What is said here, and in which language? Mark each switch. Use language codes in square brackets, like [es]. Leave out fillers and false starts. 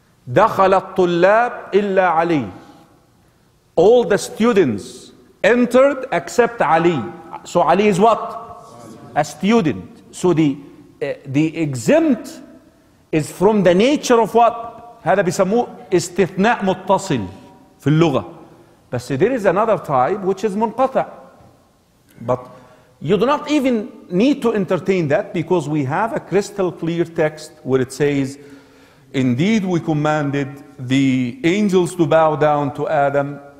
[ar] دَخَلَ الطُّلَّابُ إِلَّا عَلِي, [en] all the students entered except Ali. So Ali is what? A student. So the exempt is from the nature of what? [ar] هذا بيسموه استثناء متصل في اللغة. [en] But see, there is another type which is munqata. But you do not even need to entertain that, because we have a crystal clear text where it says, indeed we commanded the angels to bow down to Adam.